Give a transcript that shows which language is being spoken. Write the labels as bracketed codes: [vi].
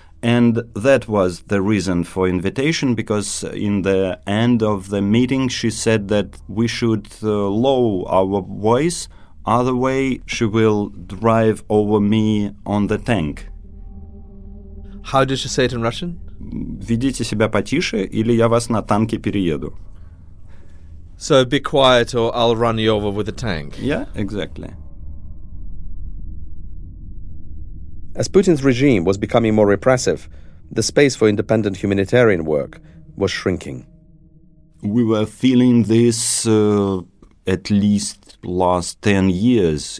[en] And that was the reason for invitation, because in the end of the meeting, she said that we should lower our voice. Other way, she will drive over me on the tank. How did she say it in Russian? [ru] Ведите себя потише, или я вас на танке перееду. [en] So be quiet or I'll run you over with a tank. Yeah, exactly. As Putin's regime was becoming more repressive, the space for independent humanitarian work was shrinking. We were feeling this at least last 10 years.